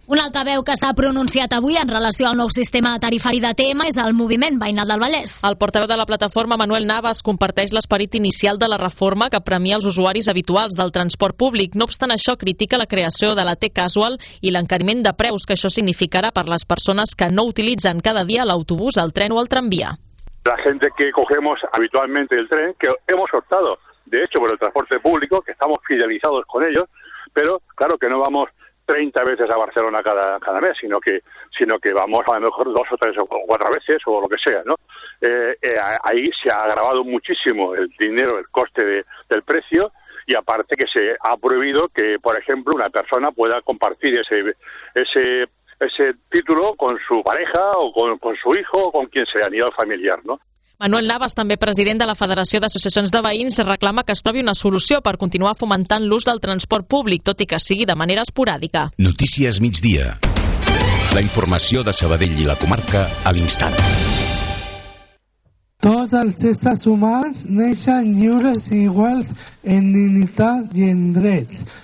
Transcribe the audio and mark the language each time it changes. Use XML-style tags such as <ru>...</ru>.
<ca>Un altre veu que s'ha pronunciat avui en relació al nou sistema tarifari d'ATM és el moviment veïnal del Vallès. El portaveu de la plataforma, Manuel Navas, comparteix l'esperit inicial de la reforma que premia els usuaris habituals del transport públic. No obstant això, critica la creació de la T-Casual i l'encariment de preus que això significarà per les persones que no utilitzen cada dia l'autobús, el tren o el tramvia.</ca> <es>La gente que cogemos habitualmente el tren, que hemos optado, de hecho, por el transporte público, que estamos fidelizados con ellos, pero claro que no vamos 30 veces a Barcelona cada mes, sino que vamos a lo mejor 2 o 3 o 4 veces o lo que sea, ¿no? Ahí se ha agravado muchísimo el dinero, el coste del precio, y aparte que se ha prohibido que, por ejemplo, una persona pueda compartir ese título con su pareja o con su hijo o con quien sea, ni el familiar, ¿no?</es> <ca>Manuel Navas, també president de la Federació d'Associacions de Veïns, reclama que es trobi una solució per continuar fomentant l'ús del transport públic, tot i que sigui de manera esporàdica. Notícies migdia. La informació de Sabadell i la comarca a l'instant. Tots els éssers humans neixen lliures i iguals en dignitat i en drets.</ca>